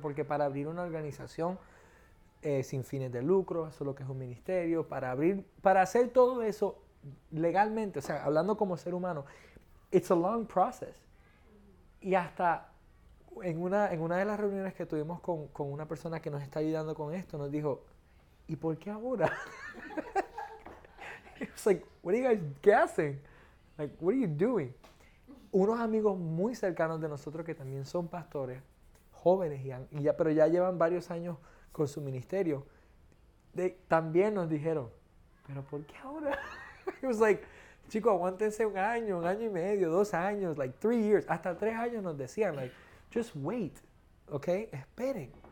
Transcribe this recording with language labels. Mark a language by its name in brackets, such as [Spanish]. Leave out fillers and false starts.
[Spanish] Porque para abrir una organización sin fines de lucro, eso es lo que es un ministerio, para hacer todo eso legalmente, o sea, hablando como ser humano, [English] it's a long process. [Spanish] Y hasta en una de las reuniones que tuvimos con una persona que nos está ayudando con esto, nos dijo, ¿y por qué ahora? [English] It's like, what are you guys guessing? Like, what are you doing? [Spanish] Unos amigos muy cercanos de nosotros que también son pastores, jóvenes, pero ya llevan varios años con su ministerio, también nos dijeron, ¿pero por qué ahora? [English] It was like, [Spanish] chico, aguántense un año y medio, dos años, [English] like 3 years, [Spanish] hasta 3 años nos decían, [English] like, just wait, okay, [Spanish] esperen.